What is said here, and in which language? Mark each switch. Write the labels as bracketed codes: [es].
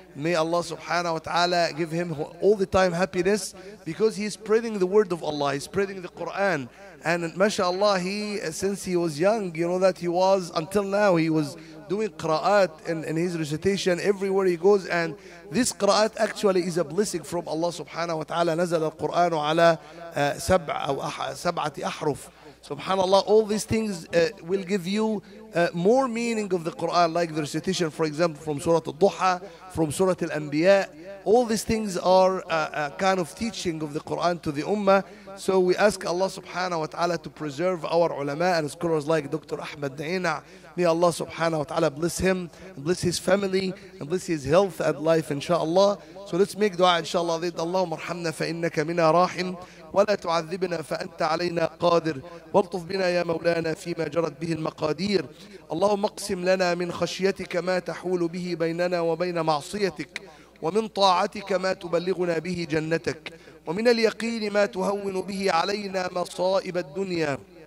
[en] May Allah subhanahu wa ta'ala give him all the time happiness, because he is spreading the word of Allah, he's spreading the Quran. And mashallah, he, since he was young, you know that he was, until now, he was doing qira'at in his recitation everywhere he goes. And this qira'at actually is a blessing from Allah subhanahu wa ta'ala. [ar] نزل القرآن على سبع أو سبعة أحرف. [en] Subhanallah, all these things will give you more meaning of the Quran, like the recitation, for example, from Surah Al-Duha, from Surah Al-Anbiya. All these things are a kind of teaching of the Quran to the Ummah. So we ask Allah subhanahu wa ta'ala to preserve our ulama and scholars like Dr. Ahmed Naina. May Allah subhanahu wa ta'ala bless him, bless his family, and bless his health and life, inshallah. So let's make dua, inshallah. [ar] Zid Allahum arhamna fa innaka mina rahim. ولا تعذبنا فأنت علينا قادر، والطف بنا يا مولانا فيما جرت به المقادير. اللهم اقسم لنا من خشيتك ما تحول به بيننا وبين معصيتك، ومن طاعتك ما تبلغنا به جنتك، ومن اليقين ما تهون به علينا مصائب الدنيا.